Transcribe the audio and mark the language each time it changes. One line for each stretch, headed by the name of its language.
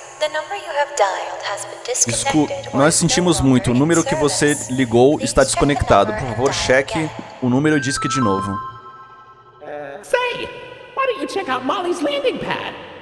English: The number you have dialed has been disconnected.
Portuguese: Nós sentimos muito. O número que você ligou está desconectado. Por favor, cheque o número e disque de novo.
English: Say, why don't you check out Molly's landing pad?